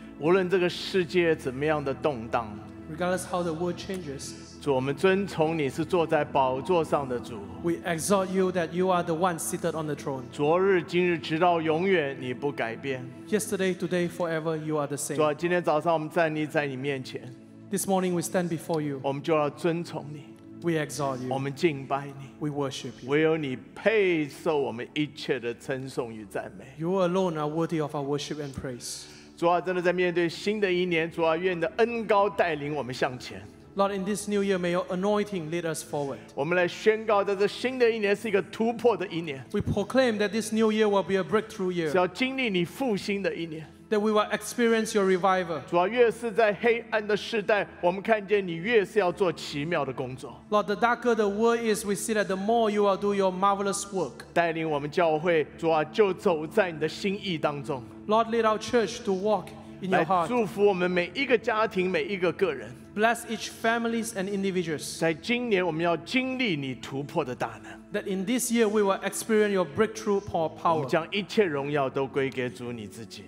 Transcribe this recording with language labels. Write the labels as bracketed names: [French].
[Chinese] 无论这个世界怎么样的动荡， [English] regardless how the world changes, [Chinese] 主，我们尊崇你是坐在宝座上的主。 [English] We exalt you that you are the one seated on the throne. [Chinese] 昨日今日直到永远你不改变。 [English] Yesterday, today, forever, you are the same. [Chinese] 主，今天早上我们站立在你面前。 [English] This morning, we stand before you. [Chinese] 我们就要尊崇你。 [English] We exalt you. [Chinese] 我们敬拜你。 [English] We worship you. [Chinese] 唯有你配受我们一切的称颂与赞美。 [English] You alone are worthy of our worship and praise. [Chinese] 主啊，真的在面对新的一年，主啊，愿你的恩膏带领我们向前。 [English] Lord, in this new year, may your anointing lead us forward. [Chinese] 我们来宣告，在这新的一年是一个突破的一年。 [English] We proclaim that this new year will be a breakthrough year. [Chinese] 是要经历你复兴的一年。 [English] That we will experience your revival. [Chinese] 主啊，越是在黑暗的时代，我们看见你越是要做奇妙的工作。 [English] Lord, the darker the world is, we see that the more you will do your marvelous work. [Chinese] 带领我们教会，主啊，就走在你的心意当中。 [English] Lord, lead our church to walk in your heart. [Chinese] 来祝福我们每一个家庭，每一个个人。 [English] Bless each families and individuals. [Chinese] 在今年，我们要经历你突破的大能。 [English] That in this year we will experience your breakthrough power. [Chinese] 将一切荣耀都归给主你自己。